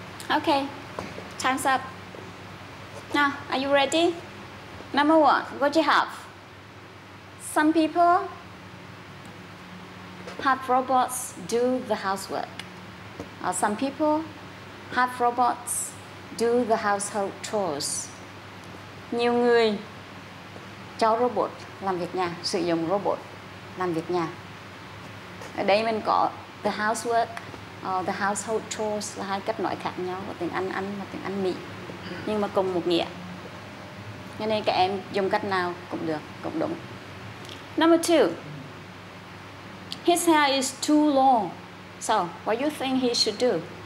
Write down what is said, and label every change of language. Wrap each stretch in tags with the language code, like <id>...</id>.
<en>Okay, time's up. Now, are you ready? Number one, what do you have? Some people have robots do the housework. Some people have robots do the household chores.</en> <vi>Nhiều người cho robot làm việc nhà, sử dụng robot làm việc nhà. Ở đây mình có</vi> <en>the housework, the household chores</en> <vi>là hai cách nói khác nhau của tiếng Anh và tiếng Anh Mỹ, nhưng mà cùng một nghĩa. Cho nên các em dùng cách nào cũng được, cũng đúng.</vi> <en>Number two, his hair is too long. So, what do you think he should do?</en>